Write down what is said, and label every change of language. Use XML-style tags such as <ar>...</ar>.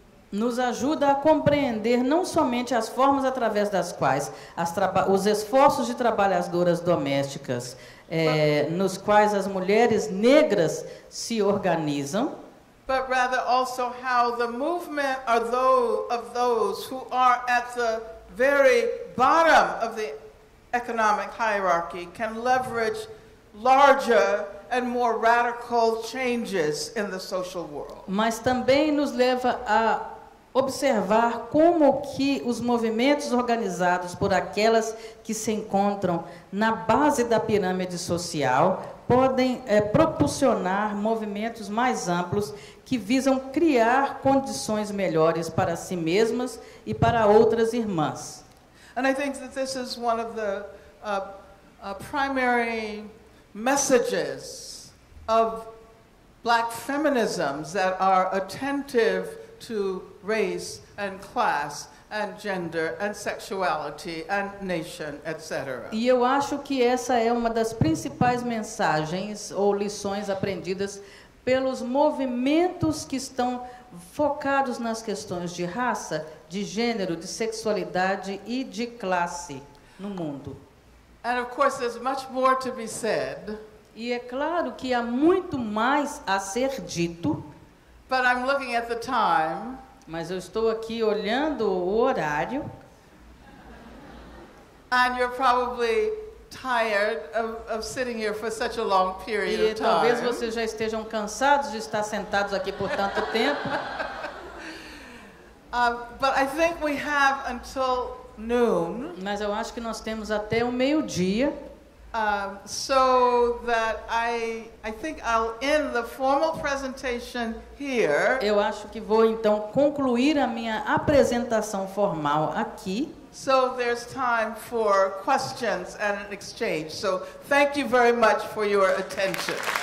<pt>Nos ajuda a compreender não somente as formas através das quais os esforços de trabalhadoras domésticas nos quais as mulheres negras se organizam,</pt> <en>but rather also how the movement are those of those who are at the very bottom of the economic hierarchy can leverage larger and more radical changes in the social world.</en> <pt>Mas também nos leva a observar como que os movimentos organizados por aquelas que se encontram na base da pirâmide social podem proporcionar movimentos mais amplos que visam criar condições melhores para si mesmas e para outras irmãs.</pt> <en>And I think that this is one of the primary messages of black feminisms that are attentive to race and class and gender and sexuality and nation, etc.</en> <pt>E eu acho que essa é uma das principais mensagens ou lições aprendidas pelos movimentos que estão focados nas questões de raça, de gênero, de sexualidade e de classe no mundo.</pt> <en>And of course there's much more to be said.</en> <pt>E é claro que há muito mais a ser dito.</pt> <en>But I'm looking at the time.</en> <pt>Mas eu estou aqui olhando o horário.</pt> <en>And you're probably tired of sitting here for such a long period of time.</en> <pt>E talvez vocês já estejam cansados de estar sentados aqui por tanto tempo.</pt> <en>But I think we have until noon.</en> <pt>Mas eu acho que nós temos até o meio-dia.</pt> <en>So that I think I'll end the formal presentation here.</en> <pt>Eu acho que vou então concluir a minha apresentação formal aqui.</pt> <en>So there's time for questions and an exchange. So thank you very much for your attention.</en>